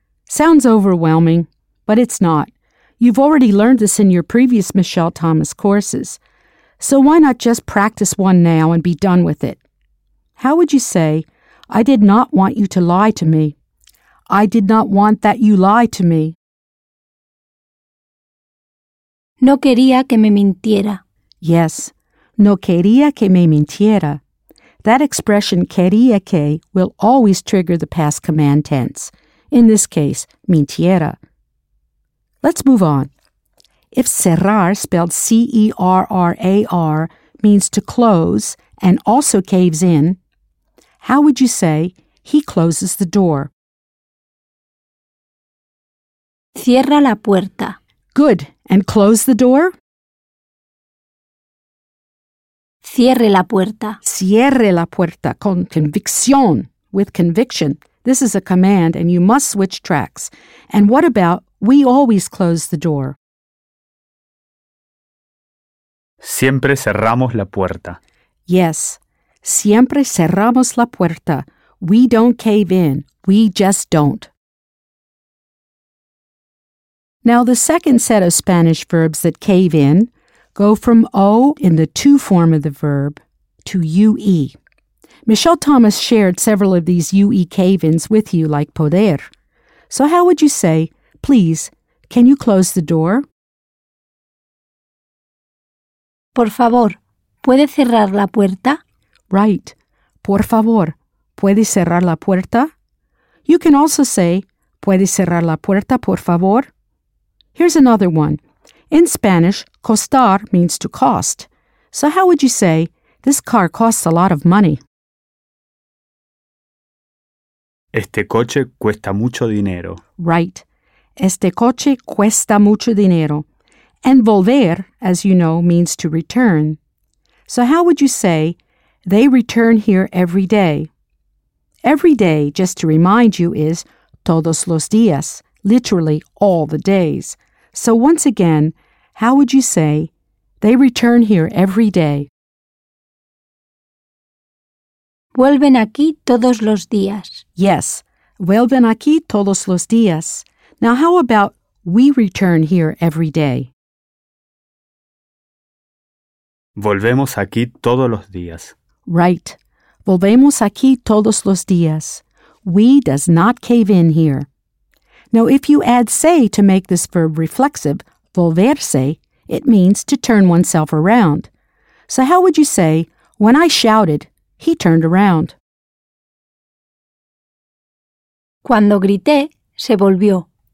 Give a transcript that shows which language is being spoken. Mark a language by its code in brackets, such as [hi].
[en] Sounds overwhelming, but it's not. You've already learned this in your previous Michelle Thomas courses, so why not just practice one now and be done with it? How would you say, I did not want you to lie to me? I did not want that you lie to me. [es] No quería que me mintiera. [en] Yes. [es] No quería que me mintiera. [en] That expression, quería que, will always trigger the past command tense. In this case, mintiera. Let's move on. If cerrar, spelled C-E-R-R-A-R, means to close and also caves in, how would you say, he closes the door? [es] Cierra la puerta. [en] Good. And close the door? [es] Cierre la puerta. Cierre la puerta. Con convicción. [en] With conviction. This is a command and you must switch tracks. And what about, we always close the door? [es] Siempre cerramos la puerta. [en] Yes. [es] Siempre cerramos la puerta. [en] We don't cave in. We just don't. Now, the second set of Spanish verbs that cave in go from O in the to form of the verb to UE. Michelle Thomas shared several of these UE cave-ins with you, like poder. So how would you say, please, can you close the door? [es] Por favor, ¿puede cerrar la puerta? [en] Right. [es] Por favor, ¿puede cerrar la puerta? [en] You can also say, [es] ¿puede cerrar la puerta, por favor? [en] Here's another one. In Spanish, costar means to cost. So how would you say, this car costs a lot of money? [es] Este coche cuesta mucho dinero. [en] Right. [es] Este coche cuesta mucho dinero. [en] And volver, as you know, means to return. So how would you say, they return here every day? Every day, just to remind you, is [es] todos los días, [en] literally all the days. So once again, how would you say, they return here every day? [es] Vuelven aquí todos los días. [en] Yes, [es] vuelven aquí todos los días. [en] Now how about, we return here every day? [es] Volvemos aquí todos los días. [en] Right, [es] volvemos aquí todos los días. [en] We does not cave in here. Now, if you add se to make this verb reflexive, volverse, it means to turn oneself around. So how would you say, when I shouted, he turned around? [es] Cuando grité, se volvió.